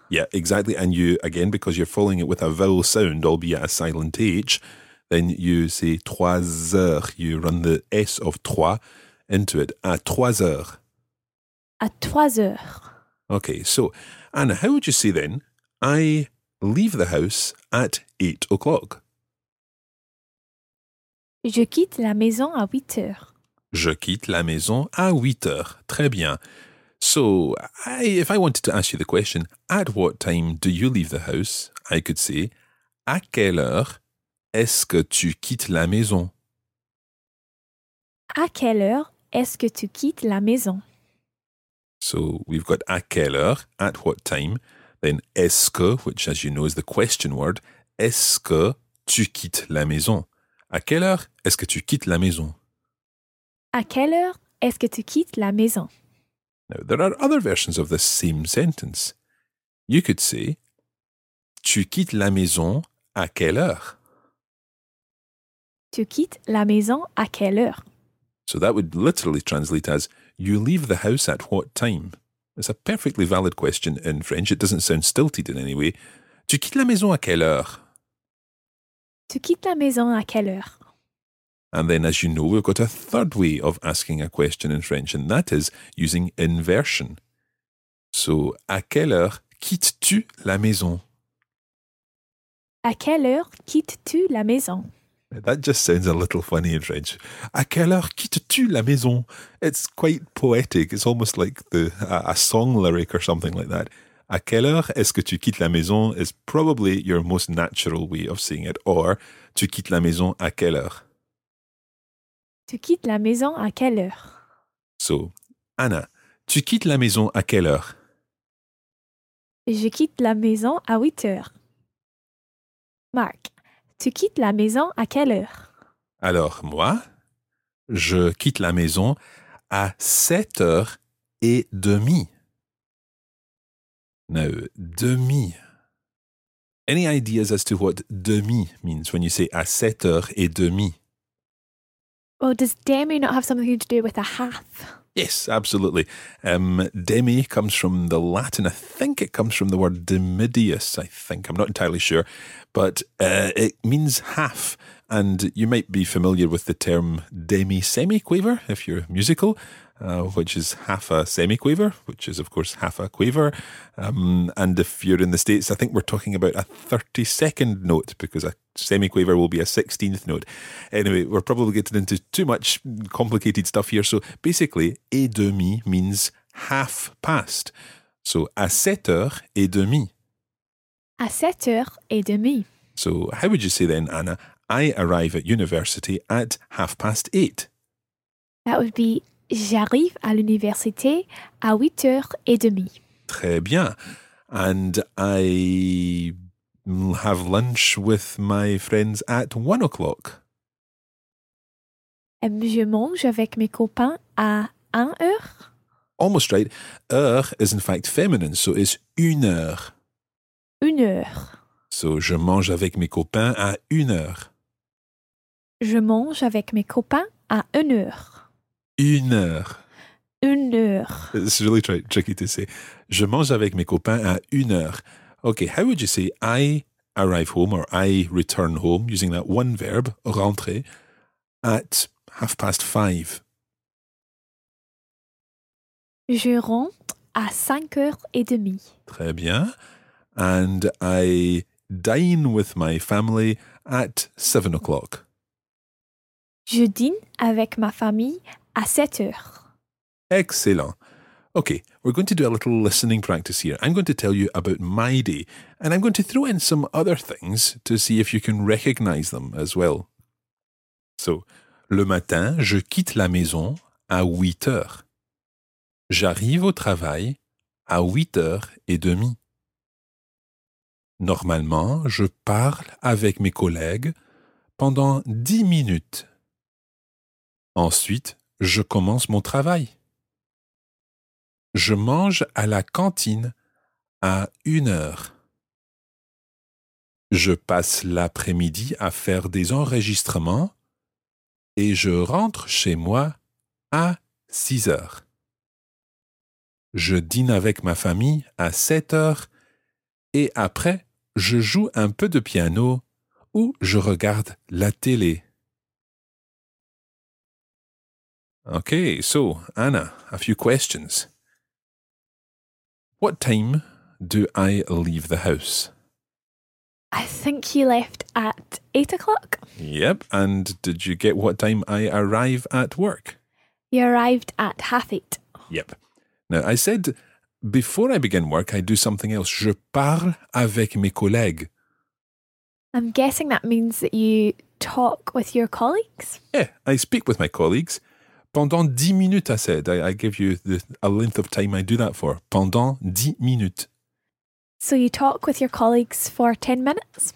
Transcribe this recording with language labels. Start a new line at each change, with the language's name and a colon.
English: Yeah, exactly. And you, again, because you're following it with a vowel sound, albeit a silent H, then you say
French: trois heures.
English: You run the S of trois into it.
French: À trois heures. À trois heures.
English: Okay, so, Anna, how would you say then, I leave the house at 8 o'clock?
French: Je quitte la maison à 8 heures. Je quitte la maison à 8 heures. Très bien.
English: So, if I wanted to ask you the question, at what time do you leave the house? I could say,
French: à quelle heure est-ce que tu quittes la maison? À quelle heure est-ce que tu quittes la maison?
English: So, we've got
French: à quelle heure,
English: at what time, then
French: est-ce que,
English: which as you know is the question word,
French: est-ce que tu quittes la maison? À quelle heure est-ce que tu quittes la maison? À quelle heure est-ce que tu quittes la maison?
English: Now, there are other versions of this same sentence. You could say,
French: tu quittes la maison à quelle heure? Tu quittes la maison à quelle heure?
English: So that would literally translate as, you leave the house at what time? It's a perfectly valid question in French. It doesn't sound stilted in any way.
French: Tu quittes la maison à quelle heure? Tu quittes la maison à quelle heure?
English: And then, as you know, we've got a third way of asking a question in French, and that is using inversion.
French: So, à quelle heure quittes-tu la maison? À quelle heure quittes-tu la maison?
English: That just sounds a little funny in French.
French: À quelle heure quittes-tu la maison?
English: It's quite poetic. It's almost like a song lyric or something like that.
French: À quelle heure est-ce que tu quittes la maison
English: is probably your most natural way of saying it.
French: Or, tu quittes la maison à quelle heure? Tu quittes la maison à quelle heure? So, Anna, tu quittes la maison à quelle heure? Je quitte la maison à 8 heures. Mark, tu quittes la maison à quelle heure? Alors, moi, je quitte la maison à 7h30.
English: Now, demi. Any ideas as to what demi means when you say à 7h30? Well, does demi not have something to do with a half? Yes, absolutely. Demi comes from the Latin. I think it comes from the word demidius, I think. I'm not entirely sure. But it means half. And you might be familiar with the term demi-semi-quaver, if you're musical, which is half a semi-quaver, which is, of course, half a quaver. And if you're in the States, I think we're talking about a 32nd note, because a semi-quaver will be a 16th note. Anyway, we're probably getting into too much complicated stuff here. So basically, et demi means half past.
French: So à 7h30. À 7h30.
English: So how would you say then, Anna, I arrive at university at 8:30? That would be,
French: j'arrive à l'université à 8h30. Très bien.
English: And I have lunch with my friends at 1 o'clock.
French: Je mange avec mes copains à 1 heure.
English: Almost right. Heure is in fact feminine, so it's
French: une heure. Une heure. So, je mange avec mes copains à 1 heure. Je mange avec mes copains à 1 heure. 1 heure. 1 heure.
English: It's really tricky to say.
French: Je mange avec mes copains à 1 heure.
English: Okay, how would you say I arrive home or I return home using that one verb, rentrer, at 5:30?
French: Je rentre à 5h30. Très bien.
English: And I dine with my family at 7 o'clock.
French: Je dîne avec ma famille à 7 heures.
English: Excellent. Okay, we're going to do a little listening practice here. I'm going to tell you about my day, and I'm going to throw in some other things to see if you can recognize them as well.
French: So, le matin, je quitte la maison à 8 heures. J'arrive au travail à 8h30. Normalement, je parle avec mes collègues pendant 10 minutes. Ensuite, je commence mon travail. Je mange à la cantine à 1 heure. Je passe l'après-midi à faire des enregistrements et je rentre chez moi à 6 heures. Je dîne avec ma famille à 7 heures et après, je joue un peu de piano ou je regarde la télé.
English: Okay, so, Anna, a few questions. What time do I leave the house? I think you left at 8 o'clock. Yep, and did you get what time I arrive at work? You arrived at 8:30. Yep. Now, I said before I begin work, I do something else.
French: Je parle avec mes collègues.
English: I'm guessing that means that you talk with your colleagues? Yeah, I speak with my colleagues.
French: Pendant 10 minutes,
English: I said. I give you a length of time I do that for.
French: Pendant 10 minutes.
English: So you talk with your colleagues for 10 minutes?